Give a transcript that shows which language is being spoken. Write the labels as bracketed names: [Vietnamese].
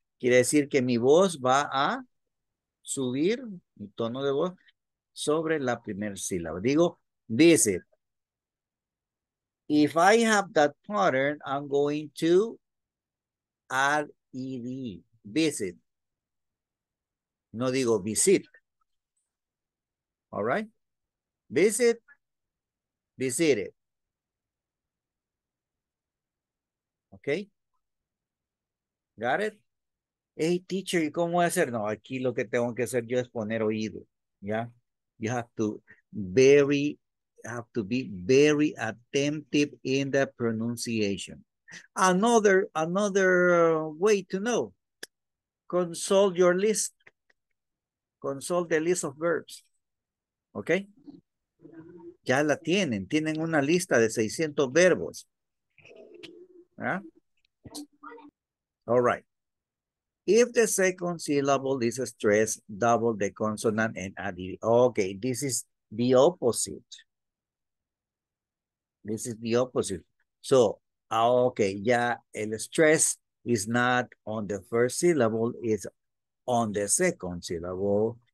[Spanish] Quiere decir que mi voz va a subir, mi tono de voz, sobre la primera sílaba. Digo, dice, [English] if I have that pattern, I'm going to add ed, visit. [Spanish] No digo [English] visit. All right? Visit, visited. Okay? Got it? Hey, teacher, [Spanish] ¿y cómo voy a hacer? No, aquí lo que tengo que hacer yo es poner oído. [English] Yeah? You have to be very attentive in the pronunciation. Another way to know, consult the list of verbs. [Spanish] Okay, ya la tienen una lista de 600 verbos. [English] Yeah? All right, if the second syllable is stressed, double the consonant and add it. Okay, this is the opposite. This is the opposite. So, okay, yeah, el stress is not on the first syllable, it's on the second syllable.